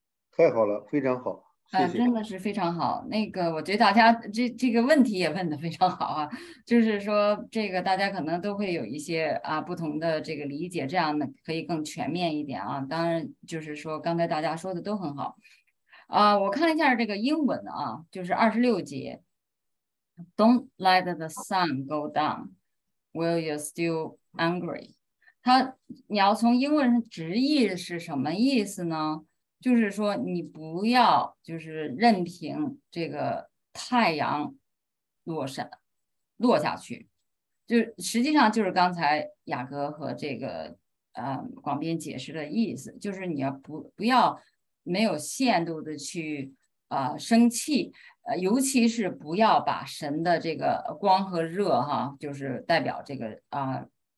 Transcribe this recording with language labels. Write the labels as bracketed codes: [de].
[zh] 太好了，非常好。啊，真的是非常好。那个我觉得大家这个问题也问得非常好啊，就是说这个大家可能都会有一些啊不同的这个理解，这样的可以更全面一点啊。当然就是说刚才大家说的都很好啊。我看一下这个英文啊，就是26节， [en] Don't let the sun go down while you're still angry。 [zh] 它你要从英文直译是什么意思呢？就是说你不要就是任凭这个太阳落下去，就实际上就是刚才雅各和这个广编解释的意思，就是你要不要没有限度的去生气，尤其是不要把神的这个光和热哈，就是代表这个